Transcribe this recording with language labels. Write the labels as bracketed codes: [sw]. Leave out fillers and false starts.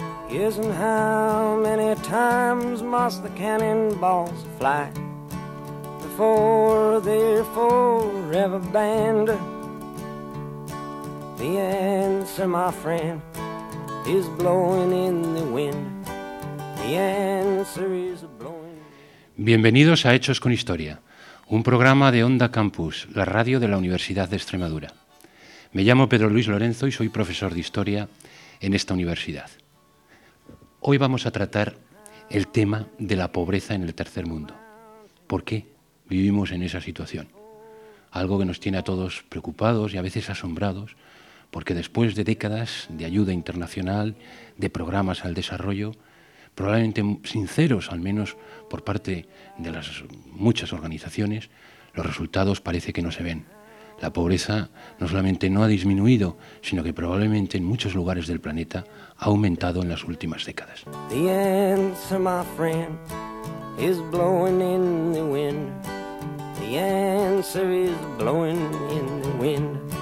[en] Yes, and how many times must the cannonballs fly before they're forever banned? The answer, my friend, is blowing in the wind. The answer is blowing. [es] Bienvenidos a Hechos con Historia, un programa de Onda Campus, la radio de la Universidad de Extremadura. Me llamo Pedro Luis Lorenzo y soy profesor de historia en esta universidad. Hoy vamos a tratar el tema de la pobreza en el tercer mundo. ¿Por qué vivimos en esa situación? Algo que nos tiene a todos preocupados y a veces asombrados, porque después de décadas de ayuda internacional, de programas al desarrollo, probablemente sinceros, al menos por parte de las muchas organizaciones, los resultados parece que no se ven. La pobreza no solamente no ha disminuido, sino que probablemente en muchos lugares del planeta ha aumentado en las últimas décadas. [en] The answer, my friend, is blowing in the wind. The answer is blowing in the wind.